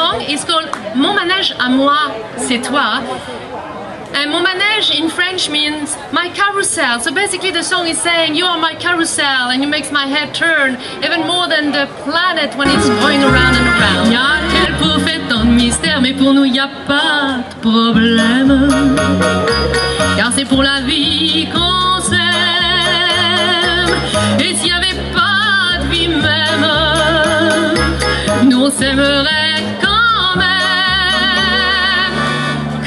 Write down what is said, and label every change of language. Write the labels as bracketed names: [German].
[English] is called mon manège à moi, c'est toi. And mon manège in French means my carousel. So basically the song is saying you are my carousel and you make my head turn even more than the planet when it's going around and around. [French] Y'a quel pour faire tant de mystère, mais pour nous y'a pas de problème. Car c'est pour la vie qu'on s'aime. Et s'il y avait pas de vie même, nous on s'aimerait quand même.